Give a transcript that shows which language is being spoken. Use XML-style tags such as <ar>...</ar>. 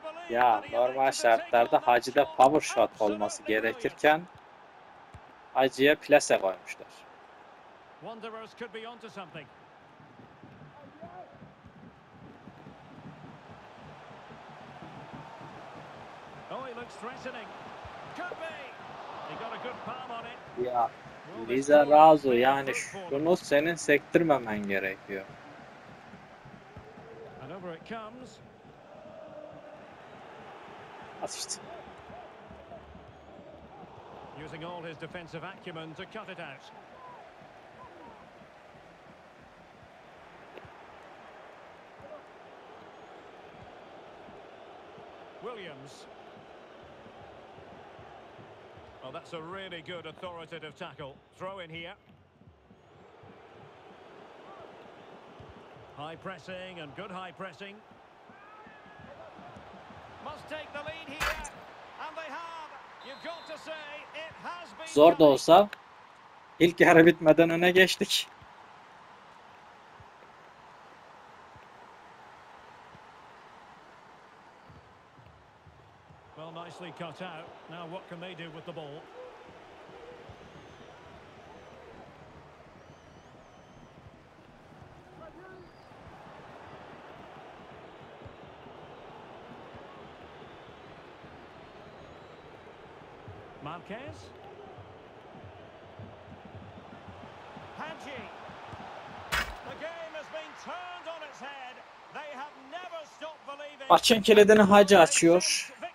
<tr>Ya normal şartlarda Hacı'da power shot olması gerekirken Hacı'ya plase koymuşlar.</tr> <en>Wanderers could be onto something. Oh, he looks threatening. Could be. He got a good palm on it.</en> <tr>Ya Liza Razu, yani şunu senin sektirmemen gerekiyor.</tr> <en>And over it comes.</en> <tr>Asist.</tr> <en>Using all his defensive acumen to cut it out. Williams. Well, that's a really good authoritative tackle. Throw in here. High pressing and good high pressing. Must take the lead here. And they have. You've got to say it has been.</en> <tr>Zor da olsa ilk yarı bitmeden öne geçtik.</tr> <en>Cut out. Now what can they do with the ball? Marquez? Hadji. The game has been turned on its head. They have never stopped believing.</en> <tr>Açın kilidini Hacı açıyor.</tr>